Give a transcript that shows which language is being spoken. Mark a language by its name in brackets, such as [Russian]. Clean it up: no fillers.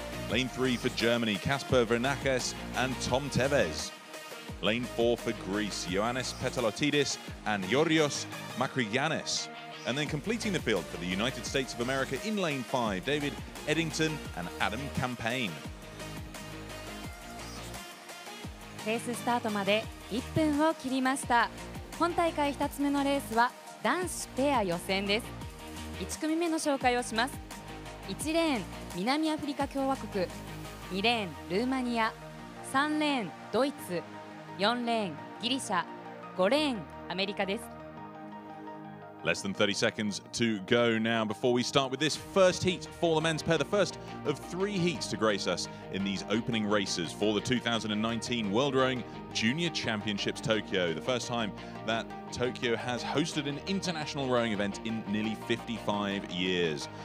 [English] Lane three for Germany, Kasper Vernakis and Tom Tevez. Lane four for Greece, Ioannis Petalotidis and Yorios Makrigiannis. And then completing the field for the United States of America in lane five, David Eddington and Adam Campaign. [Japanese] レーススタートまで1分を切りました。本大会2つ目のレースは男子ペア予選です。 1組目の紹介をします。1レーン南アフリカ共和国、2レーンルーマニア、3レーンドイツ、4レーンギリシャ、5レーンアメリカです。 [English] Less than 30 seconds to go now before we start with this first heat for the men's pair, the first of three heats to grace us in these opening races for the 2019 World Rowing Junior Championships Tokyo, the first time that Tokyo has hosted an international rowing event in nearly 55 years.